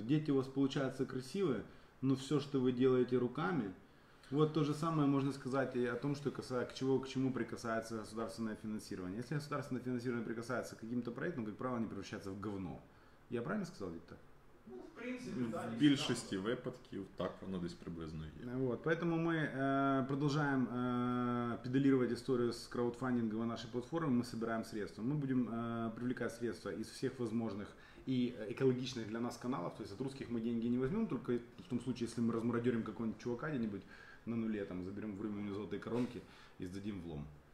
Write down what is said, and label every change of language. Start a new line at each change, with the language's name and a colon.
Russian: Дети у вас получаются красивые, но все, что вы делаете руками... Вот то же самое можно сказать и о том, что к чему прикасается государственное финансирование. Если государственное финансирование прикасается к каким-то проектам, как правило, они превращаются в говно. Я правильно сказал, Виктор? Ну, в принципе, да. В большинстве
Ukrainian: випадків так оно десь приблизно є.
Russian: Вот, поэтому мы продолжаем педалировать историю с краудфандингом на нашей платформе. Мы собираем средства. Мы будем привлекать средства из всех возможных и экологичных для нас каналов. То есть от русских мы деньги не возьмем, только в том случае, если мы размародерим какого-нибудь чувака где-нибудь, на нуле там заберем в рыбу золотые коронки и сдадим в лом.